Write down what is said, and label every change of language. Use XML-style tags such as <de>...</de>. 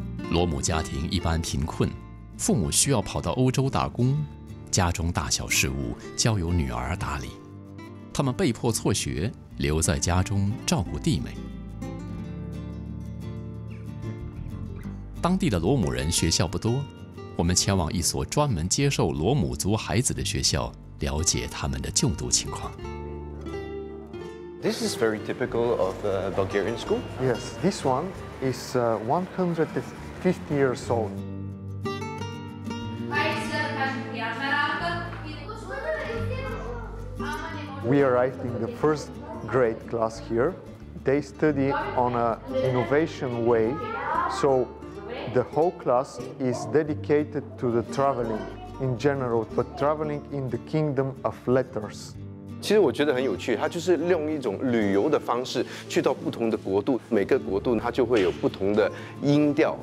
<zh>罗姆家庭一般贫困，父母需要跑到欧洲打工，家中大小事务交由女儿打理，他们被迫辍学，留在家中照顾弟妹。当地的罗姆人学校不多，我们前往一所专门接受罗姆族孩子的学校，了解他们的就读情况。</zh> <en>This is very typical of a Bulgarian school. Yes, this one is 150 years old. We arrived in the first grade class here. They study on an innovation way, so the whole class is dedicated to the traveling in general, but traveling in the kingdom of letters.</en> <zh>其实我觉得很有趣，它就是用一种旅游的方式去到不同的国度，每个国度它就会有不同的音调。</zh>